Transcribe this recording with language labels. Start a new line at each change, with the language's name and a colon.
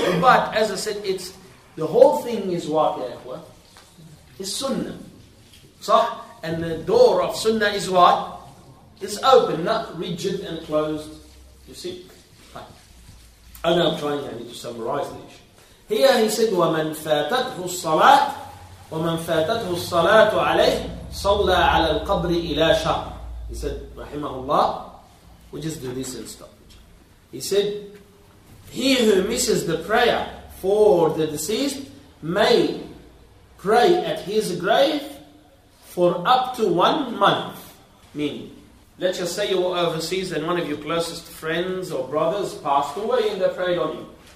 English: But as I said, it's the whole thing is what,
Arabic: ya akhwa?
English: It's sunnah. Sah? And the door of sunnah is what? It's open, not rigid and closed. You see? And I'm trying, I need to summarize the issue.
Arabic: Here he said, وَمَنْ فَاتَتْهُ الصَّلَاةُ وَمَنْ فَاتَتْهُ الصَّلَاةُ عَلَيْهِ صَلَّى عَلَى الْقَبْرِ إِلَى شَهْرٍ.
English: He said, Rahimahullah, we just do this and stop. He said, he who misses the prayer for the deceased may pray at his grave for up to 1 month. Meaning, let's just say you were overseas and one of your closest friends or brothers passed away and they prayed on you.